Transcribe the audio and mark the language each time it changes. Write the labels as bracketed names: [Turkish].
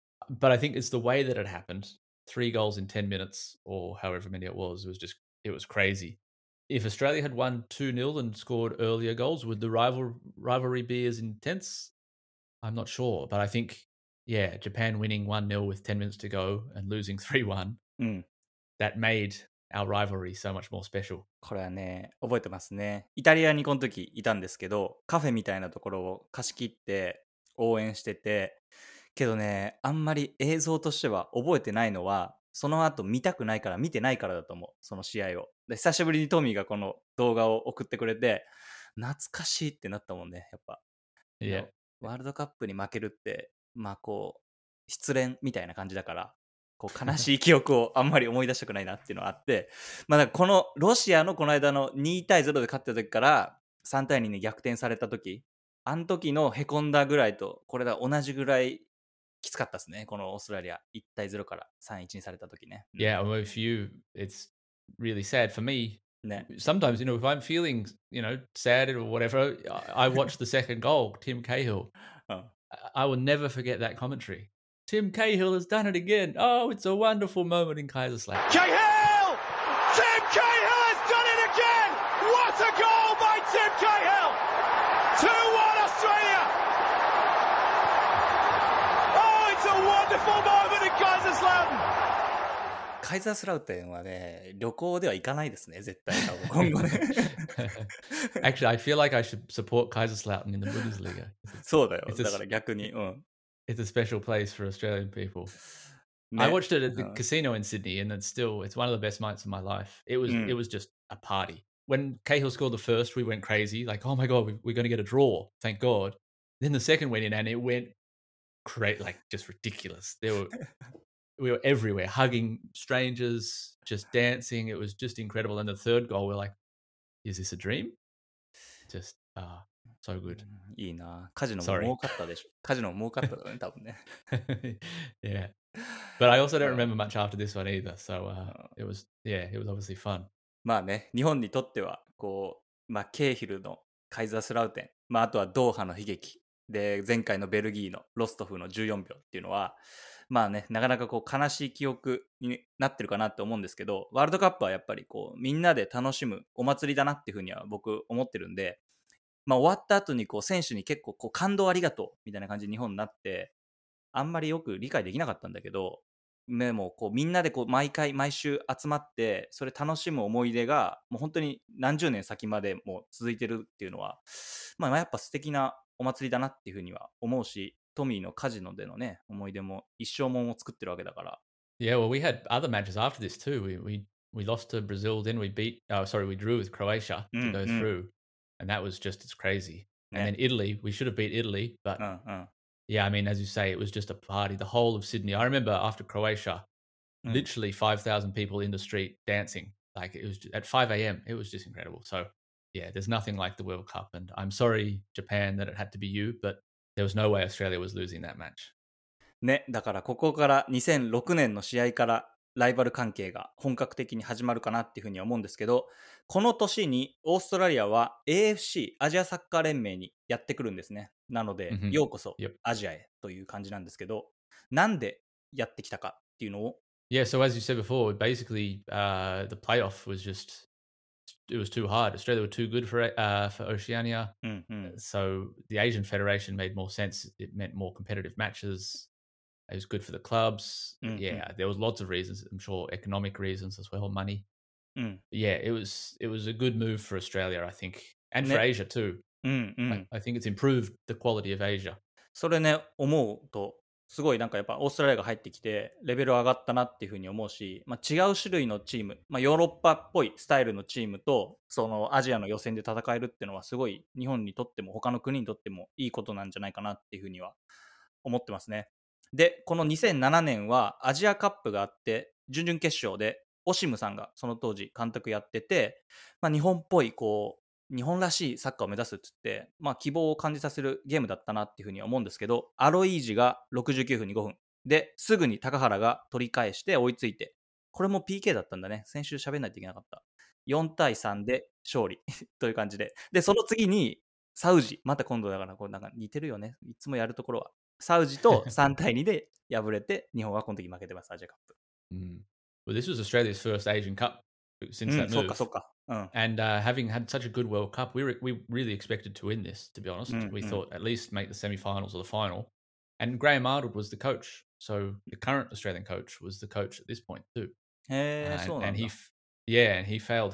[English] But I think it's the way that it happened. Three goals in 10 minutes or however many it was crazy. If Australia had won 2-0 and scored earlier goals, would the rivalry be as intense? I'm not sure. But I think, yeah, Japan winning 1-0 with 10 minutes to go and losing 3-1, that made our rivalry so much more special. [Japanese] これはね、覚えてますね。イタリアにこの時いたんですけど、カフェみたいなところを貸し切って応援してて、けどね、あんまり映像としては覚えてないのは、その後見たくないから見てないからだと思う、その試合を。で久しぶりにトミーがこの動画を送ってくれて懐かしいってなったもんね、やっぱ。いや、ワールドカップに負けるってまあこう失恋みたいな感じだから、こう悲しい記憶をあんまり思い出したくないなっていうのがあってまあだからこのロシアのこの間の2対0で勝ってた時から3対2に逆転された時、あの時のへこんだぐらいとこれが同じぐらいきつかったですね。このオーストラリア1対0から3-1にされた時ね。 [English] Yeah, well, if you, it's really sad for me. [Japanese] ね。 [English] Sometimes, you know, if I'm feeling, you know, sad or whatever, I watch the second goal, Tim Cahill. I will never forget that commentary. Tim Cahill has done it again. Oh, it's a wonderful moment in Kaiserslautern. Cahill! Tim Cahill has done it again! What a goal by Tim Cahill! 2-1 Australia! Oh, it's a wonderful moment in Kaiserslautern! [Japanese] Kaiserslautern はね、旅行では行かないですね、絶対多分、今後ね。 [English] Actually, I feel like I should support Kaiserslautern in the Bundesliga. [Japanese] そうだよ、だから逆に、うん。 [English] It's a special place for Australian people.、ね、I watched it at the、casino in Sydney, and it's still, it's one of the best nights of my life. It was,、it was just a party. When Cahill scored the first, we went crazy. Like, oh my God, we're going to get a draw. Thank God. Then the second went in, and it went like just ridiculous. we were everywhere, hugging strangers, just dancing. It was just incredible. And the third goal, we're like, is this a dream? Just, So good. [Japanese] いいな。カジノも儲かったでしょ。カジノも儲かっただね、多分ね。 [English] yeah. But I also don't remember much after this one either. So, it was, yeah, it was obviously fun. [Japanese] まあね、日本にとっては、こう、まあ、ケーヒルのカイザースラウテン、まあ、あとはドーハの悲劇、で、前回のベルギーのロストフの14秒っていうのは、まあね、なかなかこう悲しい記憶になってるかなって思うんですけど、ワールドカップはやっぱりこう、みんなで楽しむお祭りだなっていうふうには僕思ってるんで、まあ、終わった後にこう選手に結構こう感動ありがとうみたいな感じで日本になってあんまりよく理解できなかったんだけど、でもこうみんなでこう毎回毎週集まってそれ楽しむ思い出がもう本当に何十年先までもう続いてるっていうのは、まあやっぱ素敵なお祭りだなっていうふうには思うし、トミーのカジノでのね思い出も一生もんを作ってるわけだから。 [English] Yeah, well, we had other matches after this too. We lost to Brazil, then we drew with Croatia to go through. And that was just, it's crazy. And then Italy, we should have beat Italy, but yeah, I mean, as you say, it was just a party. The whole of Sydney, I remember after Croatia, literally 5,000 people in the street dancing. Like it was just, at 5 a.m., it was just incredible. So yeah, there's nothing like the World Cup. And I'm sorry, Japan, that it had to be you, but there was no way Australia was losing that match. [Japanese] ね、だからここから2006年の試合からライバル関係が本格的に始まるかなっていうふうに思うんですけど、この年にオーストラリアは AFC アジアサッカー連盟にやってくるんですね。なのでようこそアジアへという感じなんですけど、なんでやってきたかっていうのを。 [English] Yeah, so as you said before, basically, the playoff was just, it was too hard. Australia were too good for Oceania. So the Asian Federation made more sense. It meant more competitive matches. It was good for the clubs. Yeah, there was lots of reasons. I'm sure economic reasons as well, money. Yeah, it was a good move for Australia, I think. And for Asia too. I think it's improved the quality of Asia. [Japanese] それね、思うと、すごいなんかやっぱオーストラリアが入ってきて、レベル上がったなっていうふうに思うし、まあ、違う種類のチーム、まあ、ヨーロッパっぽいスタイルのチームと、そのアジアの予選で戦えるっていうのは、すごい日本にとっても、他の国にとってもいいことなんじゃないかなっていうふうには思ってますね。で、この2007年はアジアカップがあって、準々決勝で、オシムさんがその当時監督やってて、まあ、日本っぽいこう日本らしいサッカーを目指すって言って、まあ、希望を感じさせるゲームだったなっていうふうに思うんですけど、アロイージが69分に5分ですぐに高原が取り返して追いついて、これも PK だったんだね、先週喋らないといけなかった、 4対3で勝利という感じで、でその次にサウジ、また今度だからこれなんか似てるよね、いつもやるところはサウジと3対2で敗れて日本はこの時負けてます、アジアカップ。 [English] Well, this was Australia's first Asian Cup since that move. And having had such a good World Cup, we really expected to win this, to be honest. We thought at least make the semi-finals or the final. And Graham Arnold was the coach. So the current Australian coach was the coach at this point too. And he failed.